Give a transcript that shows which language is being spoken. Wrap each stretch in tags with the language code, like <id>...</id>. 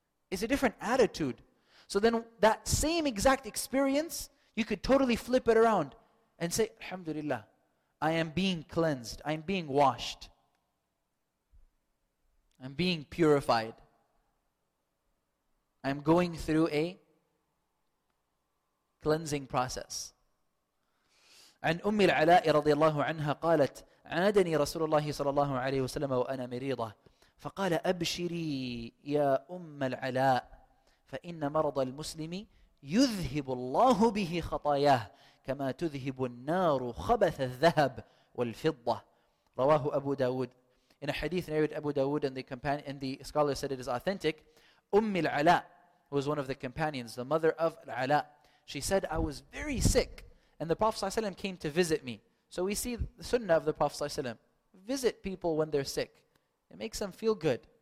<en>It's a different attitude. So then that same exact experience, you could totally flip it around and say, Alhamdulillah, I am being cleansed, I am being washed, I am being purified, I am going through a cleansing process.</en> <ar>عن أم العلاء رضي الله عنها قالت عادني رسول الله صلى الله عليه وسلم وأنا مريضة فقال أبشري يا أم العلاء فإن مرض المسلم يذهب الله به خطاياه كما تذهب النار خبث الذهب والفضة. رواه أبو داود.</ar> <en>In a hadith narrated Abu Dawood, and the scholar said it is authentic. أم العلاء, who was one of the companions, the mother of العلاء, she said, I was very sick and the Prophet ﷺ came to visit me. So we see the sunnah of the Prophet ﷺ. Visit people when they're sick. It makes them feel good.</en>